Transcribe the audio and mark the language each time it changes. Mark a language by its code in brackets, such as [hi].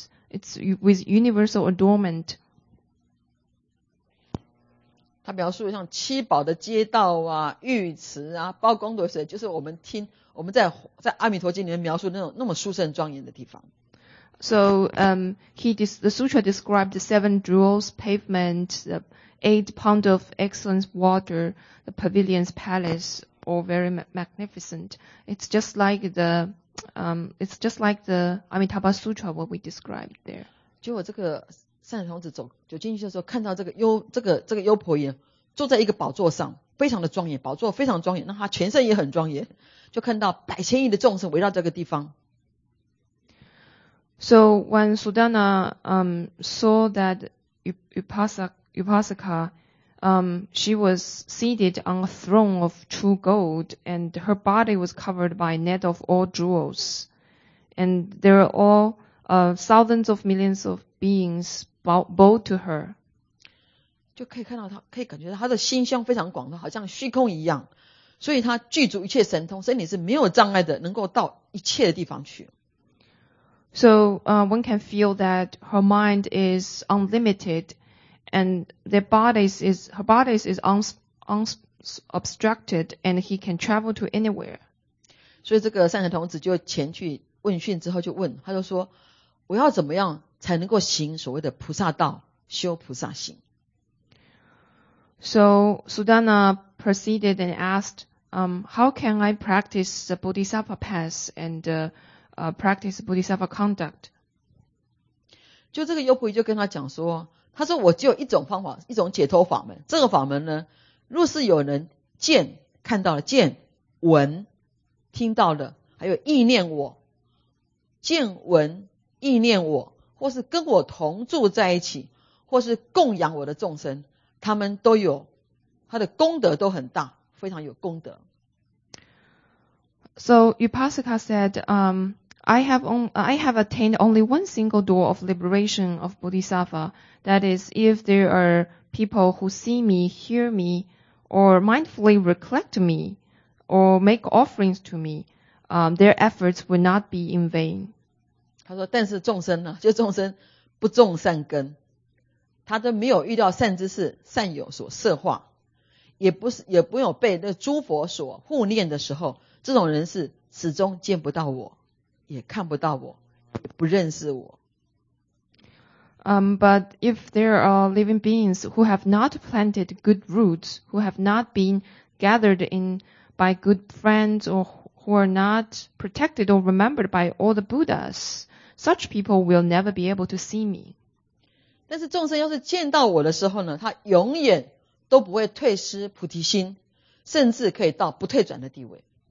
[en] It's with universal adornment. [zh] 他描述像七宝的街道啊、浴池啊、包功德水，就是我们在阿弥陀经里面描述那么殊胜庄严的地方。 [en] So, the sutra described the seven jewels, pavement, the eight pond of excellent water, the pavilions, palace, all very magnificent. It's just like the Amitabha Sutra, what we described there. [zh] 结果这个善财童子走进去的时候，看到这个优婆夷坐在一个宝座上。非常的庄严，宝座非常庄严，那他全身也很庄严，就看到百千亿的众生围绕这个地方。 [en] So when Sudana saw that Upasika She was seated on a throne of true gold, and her body was covered by a net of all jewels. And there are all thousands of millions of beings bowed to her. [zh] 就可以看到他，可以感觉到他的心胸非常广大，好像虚空一样。所以他具足一切神通，身体是没有障碍的，能够到一切的地方去。 [en] So, one can feel that her mind is unlimited, and her body is unobstructed, and he can travel to anywhere. [zh] 所以这个善财童子就前去问讯之后就问，他就说：“我要怎么样才能够行所谓的菩萨道，修菩萨行？” [en] So Sudana proceeded and asked, "How can I practice the Bodhisattva path and practice Bodhisattva conduct?" [zh] 就这个优婆夷就跟他讲说，他说我只有一种方法，一种解脱法门。这个法门呢，若是有人见看到了见闻听到的，还有意念我。见闻意念我，或是跟我同住在一起，或是供养我的众生，他们都有他的功德都很大，非常有功德。 [en] So Upasaka said, I have attained only one single door of liberation of Bodhisattva. That is, if there are people who see me, hear me, or mindfully recollect me, or make offerings to me. Their efforts will not be in vain. [zh] 他说但是众生呢，就众生不种善根，他都没有遇到善知识善友所摄化，也不有被那诸佛所护念的时候，这种人是始终见不到我，也看不到我，也不认识我。 [en] But if there are living beings who have not planted good roots, who have not been gathered in by good friends orwho are not protected or remembered by all the Buddhas, such people will never be able to see me. [zh] 但是众生要是见到我的时候呢，他永远都不会退失菩提心，甚至可以到不退转的地位。